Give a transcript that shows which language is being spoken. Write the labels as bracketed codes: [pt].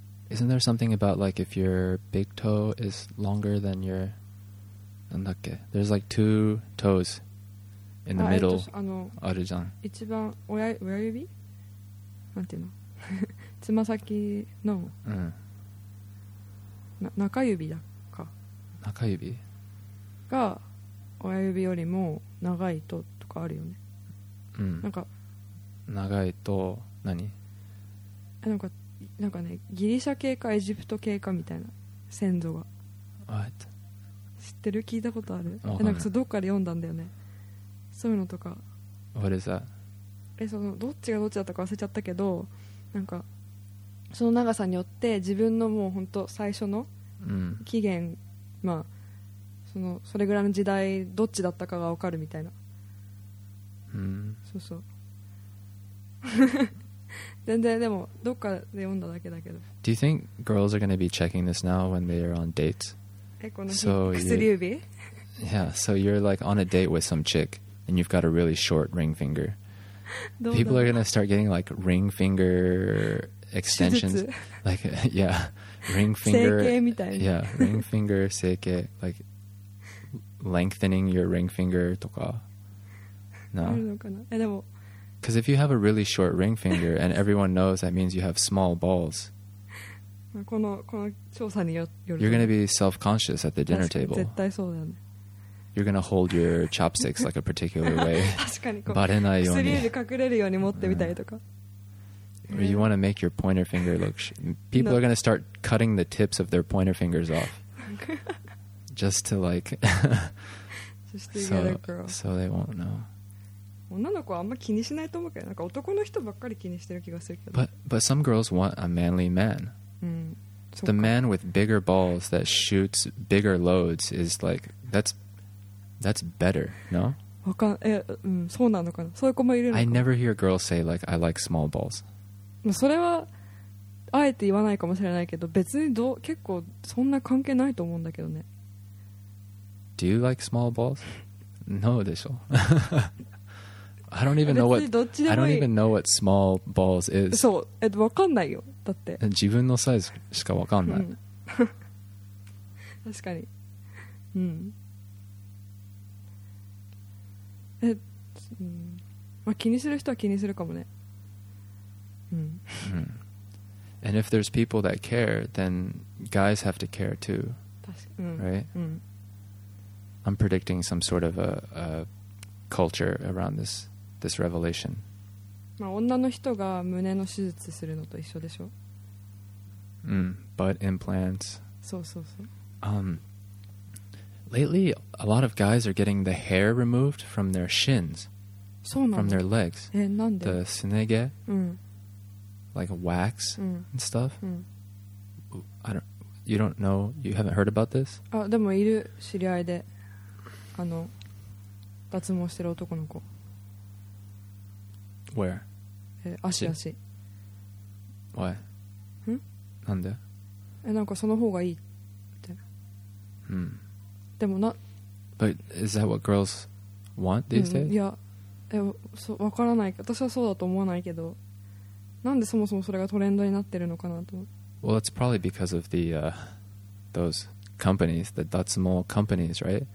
[en] Isn't there something about like if your big toe is longer than your [ja] なんだっけ [en] ?There's like two toes in the middle. [ja] あるじゃん。一番親指なんていうのつま先の。うん。中指だか。中指が親指よりも長いととかあるよね。なんか長いと何？なんかね、ギリシャ系かエジプト系かみたいな先祖が。 [en] What? [ja] 知ってる？聞いたことある？わかんない。なんかそどっかで読んだんだよね。そういうのとか。 [en] What is that? [ja] え、そのどっちがどっちだったか忘れちゃったけど、なんかその長さによって自分のもう本当最初の起源、まあ。それぐらいの時代どっちだったかが分かるみたいな。そうそう全然でもどっかで読んだだけだけど。 [en] Do you think girls are going to be checking this now when they are on dates? [ja] この薬指? [en] Yeah, so you're like on a date with some chick and you've got a really short ring finger People are going to start getting like ring finger extensions. Like, yeah, ring finger. Yeah, ring finger, seike. Like lengthening your ring finger とか.No. Because if you have a really short ring finger and everyone knows that means you have small balls, you're going to be self-conscious at the dinner table. You're going to hold your chopsticks like a particular way. [ja] バレないように。薬指隠れるように持ってみたいとか。 [en] Or you want to make your pointer finger look... People are going to start cutting the tips of their pointer fingers off. Just to like... just to get a girl. So they won't know. [ja] 女の子はあんま気にしないと思うけど、なんか男の人ばっかり気にしてる気がするけど。 [en] But some girls want a manly man.、 [ja] うん、 [en] The man with bigger balls that shoots bigger loads is like, that's better, no? [ja] わかん、え、うん、そうなのかな。そういう子もいるのか。 [en] I never hear girls say like, I like small balls. [ja] それは、あえて言わないかもしれないけど、別にどう、結構そんな関係ないと思うんだけどね。 [en] Do you like small balls? No [ja] でしょ。 [en] I don't even know what [ja] いい [en] I don't even know what small balls is. [ja] そう、わかんないよ。だって自分のサイズしかわかんない。確かに。うん。まあ、気にする人は気にするかもね。うん。 [en] And if there's people that care, then guys have to care too. [ja] 確かに。 [en] Right? うん。I'm predicting some sort of a culture around this revelation. [ja] まあ女の人が胸の手術するのと一緒でしょ。 [en] うん、butt implants. [ja] そうそうそう。 [en] Lately, a lot of guys are getting the hair removed from their shins. [ja] そうなの。 [en] From their legs. [ja] え、なんで？ [en] The すね毛。 [ja] うん。 [en] Like wax、 [ja] うん、 [en] and stuff. [ja] うん。 [en] I don't. You don't know. You haven't heard about this? [ja] あ、でもいる知り合いで、あの脱毛してる男の子。 [en] Where? [ja] 足足。 [en] Why? [ja] うん？なんで？え、なんかその方がいいって。うん。でもな。 [en] But is that what girls want these days? [ja] いや、え、そ、わからない。私はそうだと思わないけど、なんでそもそもそれがトレンドになってるのかなと。 [en] Well, it's probably because of the those companies, the 脱毛 companies, right?